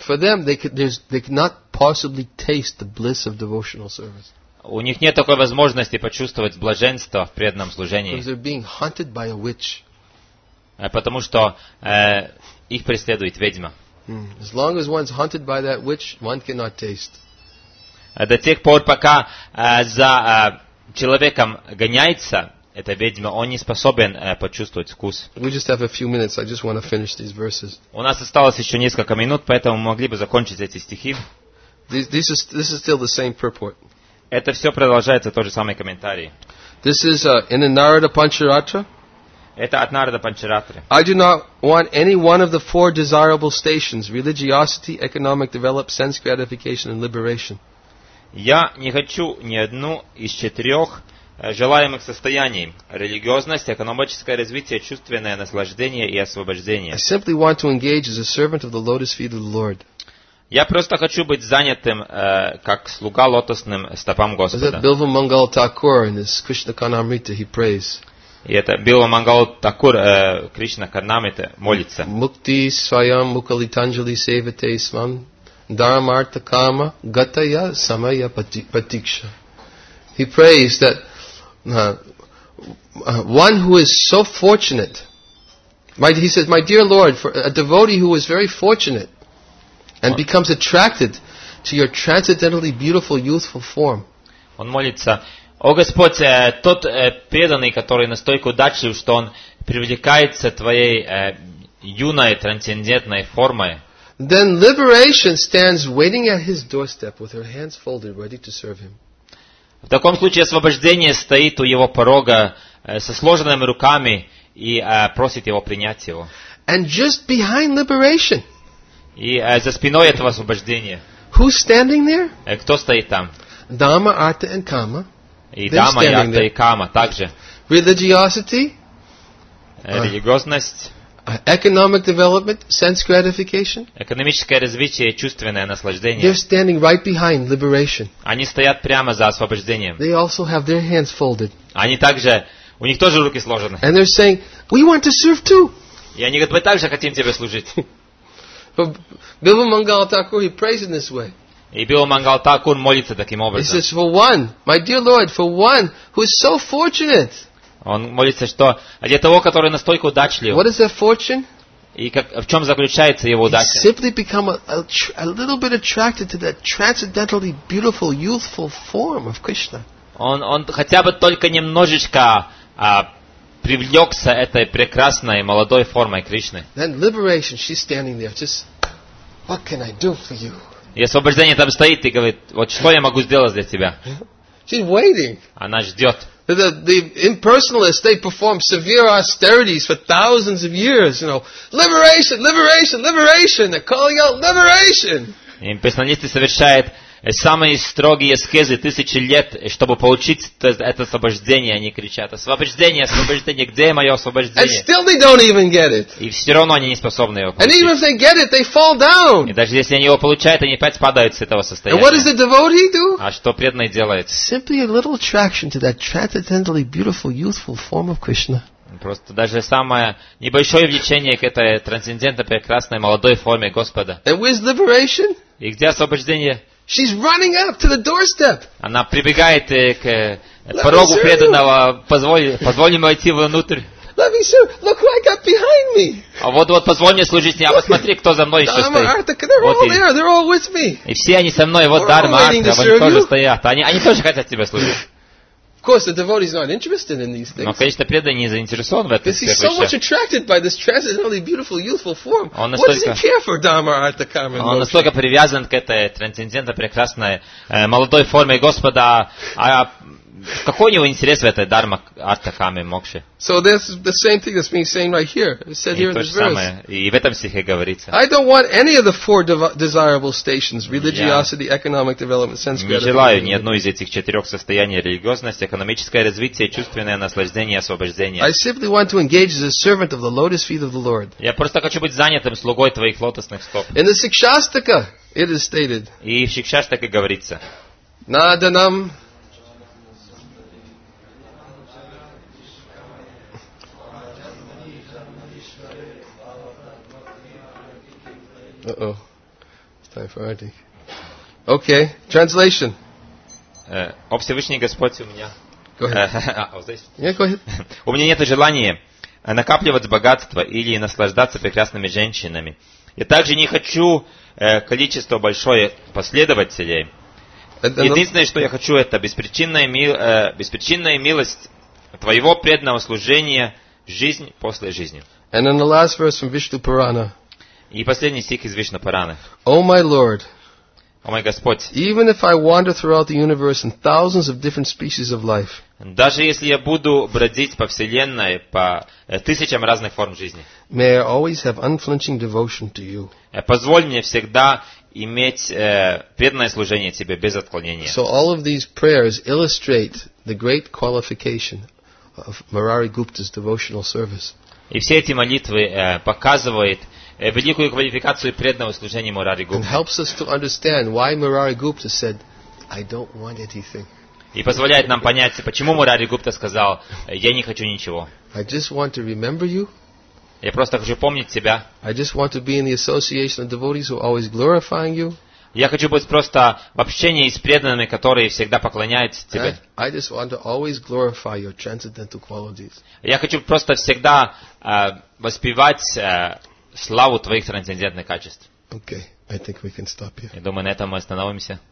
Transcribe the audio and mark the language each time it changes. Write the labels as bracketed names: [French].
[English] For them, they cannot possibly taste the bliss of devotional service. [Russian] У них нет такой возможности почувствовать блаженство в преданном служении. [English] Because they're being hunted by a witch. [Russian] Потому что их преследует ведьма. [English] As long as one's hunted by that witch, one cannot taste. [Russian] До тех пор, пока за человеком гоняется эта ведьма, он не способен почувствовать вкус. [English] We just have a few minutes. I just want to finish these verses. [Russian] У нас осталось еще несколько минут, поэтому мы могли бы закончить эти стихи. [English] This is still the same purport. [Russian] Это все продолжается тот же самый комментарий. [English] This is in the Narada Pancharatra. [Russian] Это от Нарада Панчаратры. [English] I do not want any one of the four desirable stations: religiosity, economic development, sense gratification, and liberation. [Russian] Я не хочу ни одну из четырех желаемых состояний: религиозность, экономическое развитие, чувственное наслаждение и освобождение. [English] I simply want to engage as a servant of the lotus feet of the Lord. [Russian] Я просто хочу быть занятым как слуга лотосным стопам Господа. [English] That Bilva Mangal Thakur in his Krishna Karnamrita he prays. [Russian] И это Bilva Mangal Thakur Krishna Karnamrita молится. [Sanskrit] Mukti Swayam Mukalitanjali Sevate Swam Dharmartha Kama Gataya Samaya Patiksha. [English] He prays that one who is so fortunate, he says, my dear Lord, for a devotee who is very fortunate and becomes attracted to your transcendentally beautiful youthful form. [Russian] Он молится, о Господь, тот преданный, который настолько удачлив, что он привлекается твоей юной трансцендентной формой. [English] Then liberation stands waiting at his doorstep with her hands folded, ready to serve him. [Russian] В таком случае освобождение стоит у его порога со сложенными руками и просит его принять его. [English] And just behind liberation. [Russian] И за спиной этого освобождения. [English] Who's standing there? [Russian] Кто стоит там? [English] Dhamma, Artha and Kama. [Russian] И Dhamma, Artha и Kama также. [English] Religiosity. [Russian] Религиозность. [English] Economic development, sense gratification. [Russian] Экономическое развитие, чувственное наслаждение. [English] They're standing right behind liberation. [Russian] Они стоят прямо за освобождением. [English] They also have their hands folded. [Russian] Они также, у них тоже руки сложены. [English] And they're saying, we want to serve too. [Russian] И они говорят, мы также хотим тебе служить. [English] Bilva Mangal Thakur, he prays in this way. [Russian] И Bilva Mangal Thakur молится таким образом. [English] He says, for one, my dear Lord, for one who is so fortunate. [Russian] Он молится, что для того, который настолько удачлив. [English] What is their fortune? [Russian] И как, в чем заключается его удача? [English] He simply become a little bit attracted to that transcendentally beautiful youthful form of Krishna. [Russian] Он хотя бы только немножечко привлекся этой прекрасной молодой формой Кришны. [English] Then liberation, she's standing there, just, what can I do for you? [Russian] И освобождение там стоит и говорит, вот что я могу сделать для тебя? [English] She's waiting. [Russian] Она ждет. [English] The impersonalists, they perform severe austerities for thousands of years. You know, liberation, liberation, liberation. They're calling out liberation. [Russian] Имперсоналисты совершают самые строгие аскезы тысячи лет, чтобы получить это освобождение. Они кричат: освобождение, освобождение. Где мое освобождение? [English] And still they don't even get it. [Russian] И все равно они не способны его получить. [English] And even if they get it, they fall down. [Russian] И даже если они его получают, они опять падают с этого состояния. [English] And what does the devotee do? [Russian] А что преданный делает? [English] Simply a little attraction to that transcendentally beautiful youthful form of Krishna. [Russian] Просто даже самое небольшое влечение к этой трансцендентно прекрасной молодой форме Господа. [English] And where's liberation? [Russian] И где освобождение? [English] She's running up to the doorstep. [Russian] Она прибегает к порогу преданного. Позволь ему войти внутрь. [English] Let me see. Look who I got behind. me. [Russian] А вот-вот позвони служить мне, а посмотри, кто за мной еще стоит. [English] Dharma, Artha, they're all there, they're all with me. [Russian] И все они со мной, вот Dharma, Artha, они тоже стоят. Они тоже хотят тебя служить. [English] Of course, the devotee is not interested in these things. [Russian] Но, конечно, преданный не заинтересован в этом. [English] Because he's so much attracted by this transcendentally beautiful, youthful form. What does he care for Dharma, Artha, Karma? [Russian] Он настолько привязан к этой трансцендентно прекрасной молодой форме Господа, а какой у него интерес в этой Дарма, Артха, Каме, Мокше? [English] So this is the same thing that's being said right here. It's said here in this verse. [Russian] И в этом стихе говорится. [English] I don't want any of the four desirable stations: religiosity, economic development, sense gratification. [Russian] Не желаю ни одной из этих четырех состояний: религиозность, экономическое развитие, чувственное наслаждение, освобождение. [English] I simply want to engage as a servant of the lotus feet of the Lord. [Russian] Я просто хочу быть занятым слугой твоих лотосных стоп. [English] In the Сикшастика it is stated. [Russian] И в Сикшастике говорится. Надо нам [English] It's time for writing. Okay, translation. [Russian] О Всевышний Господь, у меня... [English] Go ahead. Yeah, go ahead. [Russian] У меня нет желания накапливать богатство или наслаждаться прекрасными женщинами. Я также не хочу количество большое последователей. Единственное, что я хочу, это беспричинная милость твоего преданного служения, жизнь после жизни. [English] And then the last verse from Vishnu Purana. [Russian] И последний стих из Вишну Пураны. О, мой [English] Lord, [Russian] о мой Господь, [English] even if I wander throughout the universe in thousands of different species of life, [Russian] даже если я буду бродить по вселенной по тысячам разных форм жизни, [English] may I always have unflinching devotion to you. [Russian] Позволь мне всегда иметь преданное служение тебе без отклонения. [English] So all of these prayers illustrate the great qualification of Murari Gupta's devotional service. [Russian] И все эти молитвы показывают великую квалификацию преданного служения Мурари Гупты. [English] It helps us to understand why Murari Gupta said, "I don't want anything." [Russian] И позволяет нам понять, почему Мурари Гупта сказал, "Я не хочу ничего." [English] I just want to remember you. [Russian] Я просто хочу помнить тебя. [English] I just want to be in the association of devotees who are always glorifying you. [Russian] Я хочу быть просто в общении с преданными, которые всегда поклоняются тебе. [English] I just want to always glorify your transcendental qualities. [Russian] Я хочу просто всегда воспевать славу твоих трансцендентных качеств. [English] Okay, I think we can stop here. [Russian] Я думаю, на этом мы остановимся.